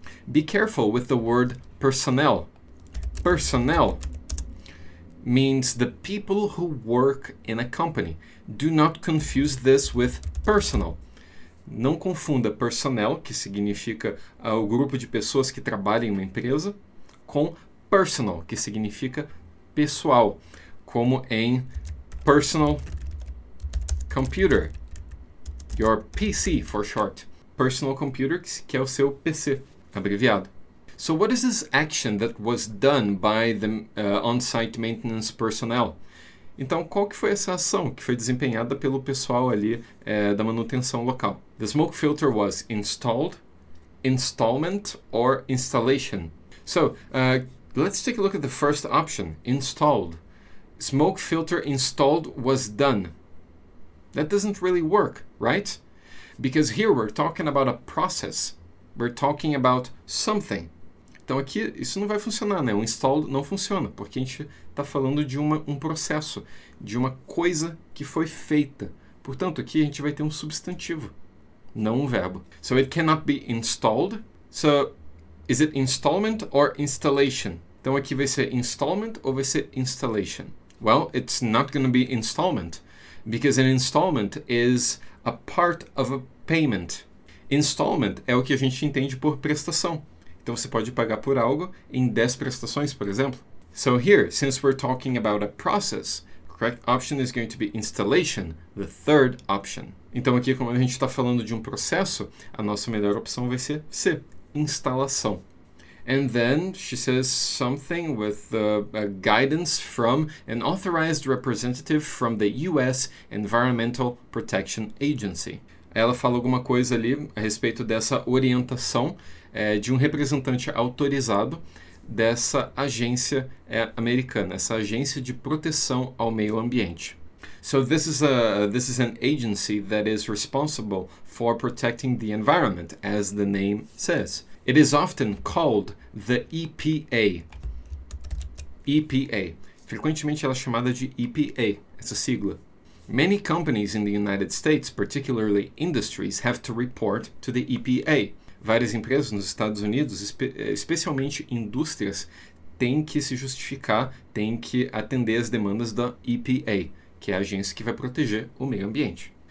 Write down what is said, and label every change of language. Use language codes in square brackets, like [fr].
[en] Be careful with the word personnel. Personnel means the people who work in a company. Do not confuse this with personal. [pt] Não confunda personnel, que significa o grupo de pessoas que trabalham em uma empresa, com personal, que significa pessoal, como em personal computer, [en] your PC for short. [pt] Personal computer, que é o seu PC, abreviado. [en] So what is this action that was done by the on-site maintenance personnel? [pt] Então, qual que foi essa ação que foi desempenhada pelo pessoal ali da manutenção local? [en] The smoke filter was installed, installment or installation. So, let's take a look at the first option, installed. Smoke filter installed was done. That doesn't really work, right? Because here we're talking about a process. We're talking about something. [pt] Então aqui isso não vai funcionar, né? O installed não funciona, porque a gente está falando de um processo, de uma coisa que foi feita. Portanto, aqui a gente vai ter um substantivo, não um verbo. [en] So it cannot be installed. So is it installment or installation? [pt] Então aqui vai ser installment ou vai ser installation? [en] Well, it's not going to be installment, because an installment is a part of a payment. [pt] Installment é o que a gente entende por prestação. Então você pode pagar por algo em 10 prestações, por exemplo. [en] So here, since we're talking about a process, correct option is going to be installation, the third option. [pt] Então aqui, como a gente está falando de um processo, a nossa melhor opção vai ser C, instalação. [en] And then she says something with a guidance from an authorized representative from the U.S. Environmental Protection Agency. [pt] Ela fala alguma coisa ali a respeito dessa orientação de um representante autorizado dessa agência americana, essa agência de proteção ao meio ambiente. [en] So this is an agency that is responsible for protecting the environment, as the name says. It is often called the EPA. EPA. [pt] Frequentemente ela é chamada de EPA, essa sigla. [en] Many companies in the United States, particularly industries, have to report to the EPA. [pt] Várias empresas nos Estados Unidos, especialmente indústrias, têm que se justificar, têm que atender às demandas da EPA, que é a agência que vai proteger o meio ambiente.